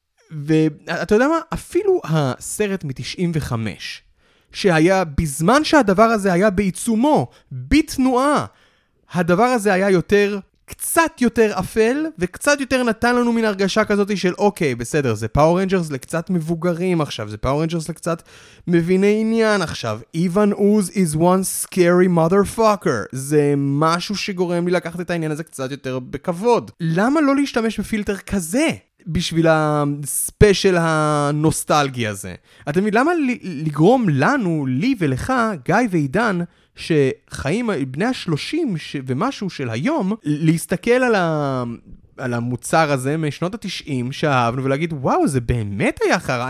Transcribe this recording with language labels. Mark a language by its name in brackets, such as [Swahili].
[Hebrew] ואתה יודע מה? אפילו הסרט מ-95, שהיה בזמן שהדבר הזה היה בעיצומו, בתנועה, הדבר הזה היה יותר, קצת יותר אפל, וקצת יותר נתן לנו מן הרגשה כזאת של אוקיי, בסדר, זה פאור רנג'רס לקצת מבוגרים עכשיו, זה פאור רנג'רס לקצת מביני עניין עכשיו. [English] איוון אוז is one scary motherfucker. [Hebrew] זה משהו שגורם לי לקחת את העניין הזה קצת יותר בכבוד. למה לא להשתמש בפילטר כזה? בשביל הספשייל הנוסטלגי הזה. אתם יודעים, למה לגרום לנו, לי ולך, גיא ועידן, שחיים בני ה-30 ומשהו של היום, להסתכל על המוצר הזה משנות ה-90 שאהבנו, ולהגיד, וואו, זה באמת היה חרה.